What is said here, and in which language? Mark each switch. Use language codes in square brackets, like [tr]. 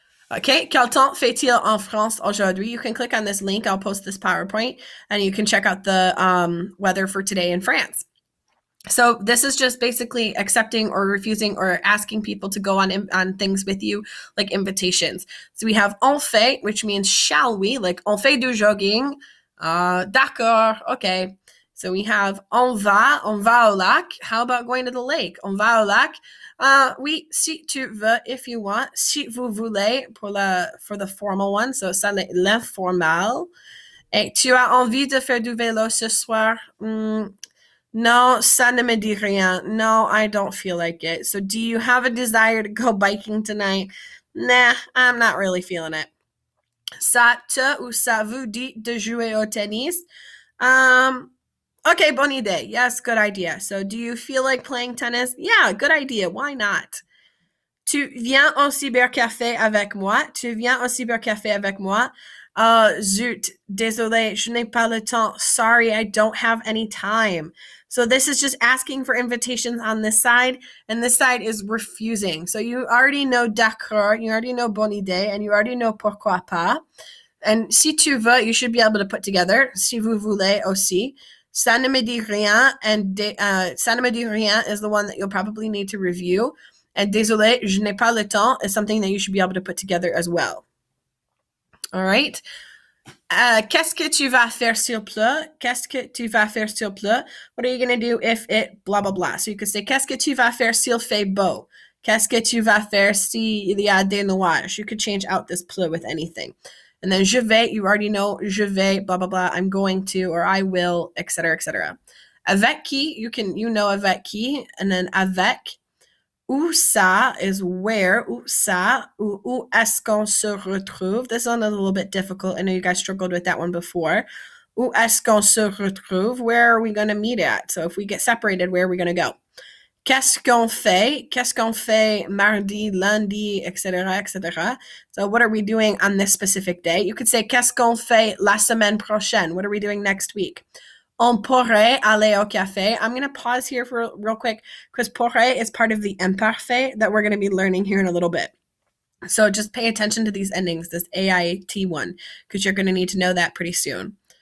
[fr] Okay, quel temps fait-il en France aujourd'hui? [en] You can click on this link. I'll post this PowerPoint and you can check out the weather for today in France. So this is just basically accepting or refusing or asking people to go on things with you, like invitations. So we have on fait, which means shall we, like [fr] on fait du jogging. D'accord, [en] okay. So we have [fr] on va au lac. [en] How about going to the lake? [fr] On va au lac. Oui, si tu veux, [en] if you want. [fr] Si vous voulez, [en] for the formal one. So ça l'informal. [fr] Et tu as envie de faire du vélo ce soir? [en] No, [fr] ça ne me dit rien. [en] No, I don't feel like it. So, do you have a desire to go biking tonight? Nah, I'm not really feeling it. [fr] Ça te ou ça vous dit de jouer au tennis? [en] Okay, [fr] bonne idée. [en] Yes, good idea. So, do you feel like playing tennis? Yeah, good idea. Why not? [fr] Tu viens au cybercafé avec moi? Tu viens au cybercafé avec moi? Zut, désolé, je n'ai pas le temps. [en] Sorry, I don't have any time. So this is just asking for invitations on this side, and this side is refusing. So you already know d'accord, you already know [fr] bonne idée, [en] and you already know [fr] pourquoi pas. [en] And [fr] si tu veux, [en] you should be able to put together, [fr] si vous voulez aussi. Ça ne me dit rien, [en] and [fr] ça ne me dit rien [en] is the one that you'll probably need to review. And [fr] désolé, je n'ai pas le temps [en] is something that you should be able to put together as well. All right. [fr] Qu'est-ce que tu vas faire s'il pleut? Qu'est-ce que tu vas faire s'il pleut? [en] What are you going to do if it blah, blah, blah? So you could say, [fr] qu'est-ce que tu vas faire s'il fait beau? Qu'est-ce que tu vas faire s'il y a des nuages? [en] You could change out this pleut with anything. And then [fr] je vais, [en] you already know, je vais, blah, blah, blah, I'm going to, or I will, et cetera, et cetera. [fr] Avec qui, [en] you know [fr] avec qui, [en] and then [fr] avec, où ça [en] is where, [fr] où ça, où est-ce qu'on se retrouve? [en] This one is a little bit difficult. I know you guys struggled with that one before. [fr] Où est-ce qu'on se retrouve? [en] Where are we going to meet at? So if we get separated, where are we going to go? [fr] Qu'est-ce qu'on fait? Qu'est-ce qu'on fait mardi, lundi, etc., etc. [en] So what are we doing on this specific day? You could say, [fr] qu'est-ce qu'on fait la semaine prochaine? [en] What are we doing next week? [fr] On pourrait aller au café. [en] I'm going to pause here for real quick because pourrait is part of the imparfait that we're going to be learning here in a little bit. So just pay attention to these endings, this AIT one, because you're going to need to know that pretty soon.